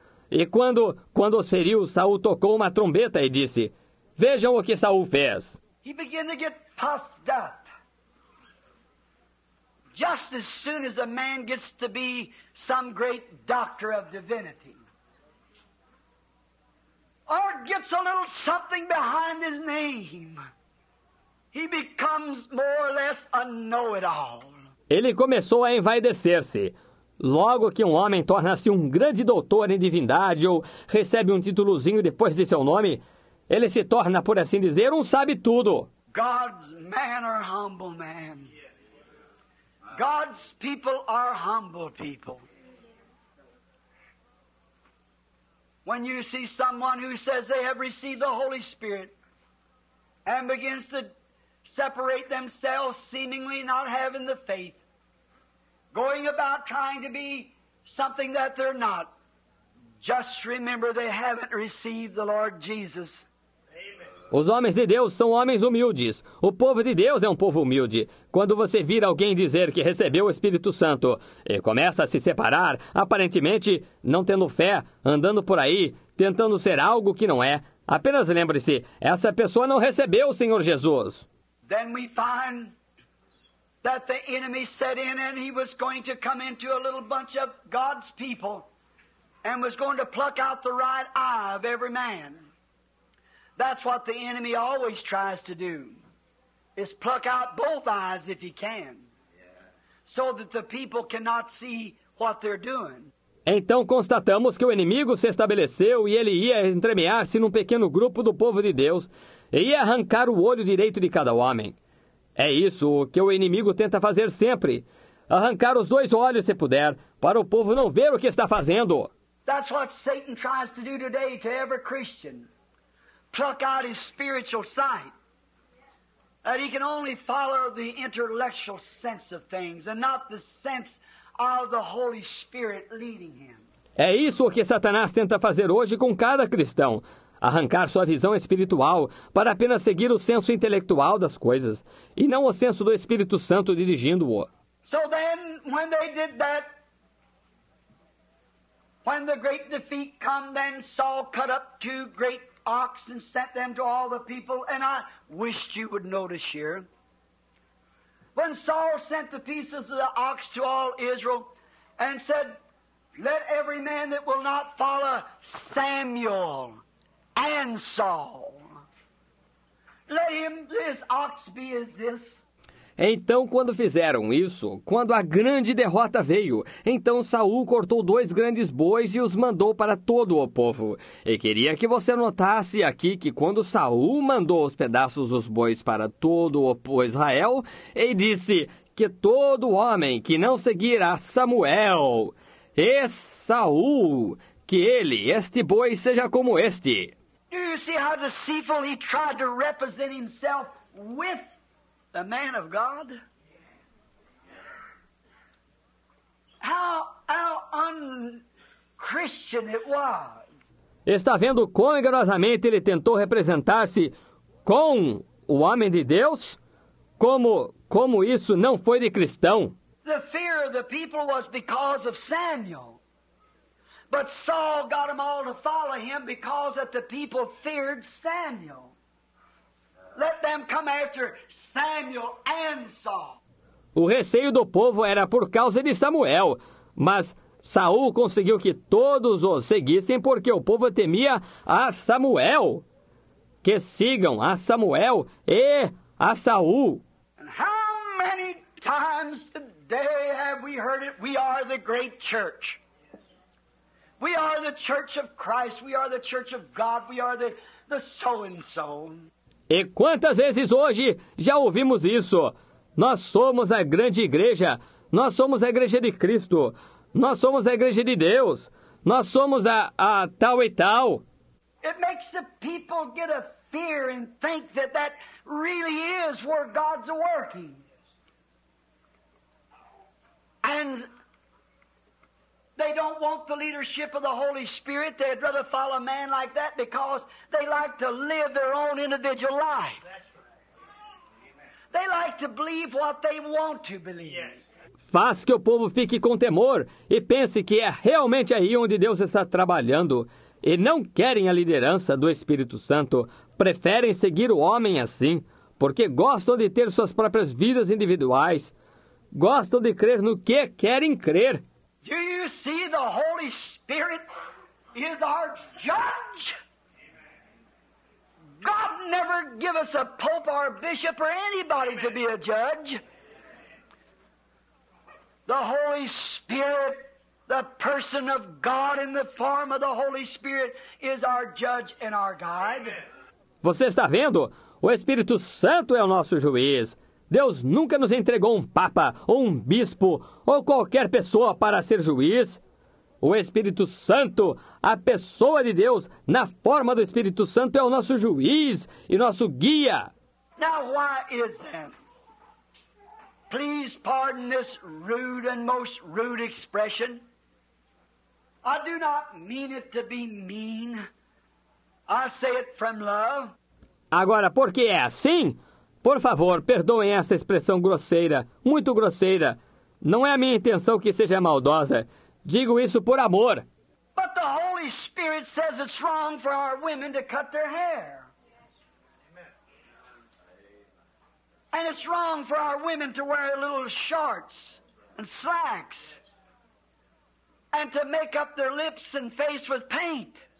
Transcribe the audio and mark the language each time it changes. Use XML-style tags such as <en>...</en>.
<pt>E quando os feriu, Saul tocou uma trombeta e disse, Vejam o que Saul fez.</pt> <en>He began to get puffed up. Just as soon as a man gets to be some great doctor of divinity. Or gets a little something behind his name. He becomes more or less a know-it-all.</en> <pt>Ele começou a envaidecer-se. Logo que um homem torna-se um grande doutor em divindade ou recebe um titulozinho depois de seu nome, ele se torna, por assim dizer, um sabe-tudo.</pt> <en>God's man are humble men. God's people are humble people. When you see someone who says they have received the Holy Spirit and begins to separate themselves, seemingly not having the faith, going about trying to be something that they're not, just remember they haven't received the Lord Jesus.</en> <pt>Os homens de Deus são homens humildes. O povo de Deus é um povo humilde. Quando você vir alguém dizer que recebeu o Espírito Santo e começa a se separar, aparentemente não tendo fé, andando por aí, tentando ser algo que não é, apenas lembre-se, essa pessoa não recebeu o Senhor Jesus.</pt> <en>Then we find that the enemy set in and he was going to come into a little bunch of God's people and was going to pluck out the right eye of every man. That's what the enemy always tries to do, is pluck out both eyes if he can, so that the people cannot see what they're doing.</en> <pt>Então constatamos que o inimigo se estabeleceu e ele ia entremear-se num pequeno grupo do povo de Deus e ia arrancar o olho direito de cada homem. É isso que o inimigo tenta fazer sempre, arrancar os dois olhos se puder, para o povo não ver o que está fazendo.</pt> <en>That's what Satan tries to do today to every Christian. Pluck out his spiritual sight, that he can only follow the intellectual sense of things and not the sense of the Holy Spirit leading him.</en> <pt>É isso o que Satanás tenta fazer hoje com cada cristão, arrancar sua visão espiritual para apenas seguir o senso intelectual das coisas e não o senso do Espírito Santo dirigindo-o.</pt> <en>So then, when they did that, when the great defeat come, then Saul cut up two great ox and sent them to all the people, and I wished you would notice here. When Saul sent the pieces of the ox to all Israel and said, let every man that will not follow Samuel and Saul, let him, this ox be as this.</en> <pt>Então, quando fizeram isso, quando a grande derrota veio, então Saul cortou dois grandes bois e os mandou para todo o povo. E queria que você notasse aqui que quando Saul mandou os pedaços dos bois para todo o povo Israel, ele disse que todo homem que não seguir a Samuel, e Saul, que ele, este boi, seja como este.</pt> <en>Do you see how deceitful he tried to represent himself with the man of God? How un-Christian it was.</en> <pt>Está vendo quão enganosamente ele tentou representar-se com o homem de Deus? Como isso não foi de cristão?</pt> <en>The fear of the people was because of Samuel. But Saul got them all to follow him because that the people feared Samuel. Let them come after Samuel and Saul.</en> <pt>O receio do povo era por causa de Samuel, mas Saul conseguiu que todos o seguissem porque o povo temia a Samuel. Que sigam a Samuel e a Saul.</pt> <en>And how many times today have we heard it? We are the great church. We are the church of Christ. We are the church of God. We are the so-and-so.</en> <pt>E quantas vezes hoje já ouvimos isso? Nós somos a grande igreja. Nós somos a igreja de Cristo. Nós somos a igreja de Deus. Nós somos a tal e tal.</pt> <en>It makes the people get a fear and think that that really is where God's working. And they don't want the leadership of the Holy Spirit. They'd rather follow a man like that because they like to live their own individual life. They like to believe what they want to believe.</en> <pt>Faz que o povo fique com temor e pense que é realmente aí onde Deus está trabalhando. E não querem a liderança do Espírito Santo. Preferem seguir o homem assim, porque gostam de ter suas próprias vidas individuais. Gostam de crer no que querem crer.</pt> <en>Do you see the Holy Spirit is our judge? God never give us a pope or a bishop or anybody to be a judge. The Holy Spirit, the person of God in the form of the Holy Spirit, is our judge and our guide.</en> <pt>Você está vendo? O Espírito Santo é o nosso juiz. Deus nunca nos entregou um papa, ou um bispo, ou qualquer pessoa para ser juiz. O Espírito Santo, a pessoa de Deus, na forma do Espírito Santo, é o nosso juiz e nosso guia.</pt> <en>Now, why is that? Please pardon this rude and most rude expression. I do not mean it to be mean. I say it from love.</en> <pt>Agora, porque é assim? Por favor, perdoem essa expressão grosseira, muito grosseira. Não é a minha intenção que seja maldosa. Digo isso por amor.</pt> <en>But the Holy Spirit says it's wrong for our women to cut their hair. And it's wrong for our women to wear little shorts and slacks and to make up their lips and face with paint.</en>